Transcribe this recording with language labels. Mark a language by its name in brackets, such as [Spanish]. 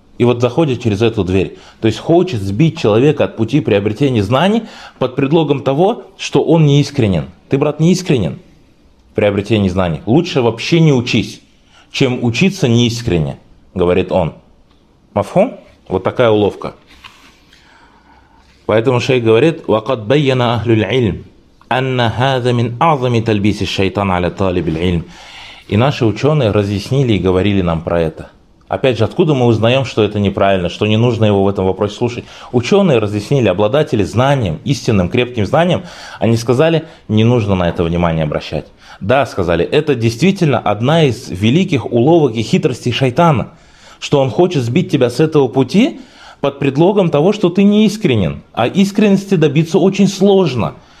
[Russian] И вот заходит через эту дверь. То есть хочет сбить человека от пути приобретения знаний под предлогом того, что он не искренен. Ты, брат, не искренен в приобретении знаний. Лучше вообще не учись, чем учиться неискренне, говорит он. Мафхум? Вот такая уловка. Поэтому шейх говорит, [Arabic] وَقَدْ بَيَّنَ أَهْلُ الْعِلْمِ أَنَّ هَذَا مِنْ أَعْظَمِ تَلْبِيسِ الشَّيْطَانَ عَلَى طَالِبِ الْعِلْمِ. [Russian] И наши ученые разъяснили и говорили нам про это. Опять же, откуда мы узнаем, что это неправильно, что не нужно его в этом вопросе слушать? Ученые разъяснили, обладатели знанием, истинным, крепким знанием, они сказали, не нужно на это внимание обращать. Да, сказали, это действительно одна из великих уловок и хитростей шайтана, что он хочет сбить тебя с этого пути под предлогом того, что ты не искренен, а искренности добиться очень сложно.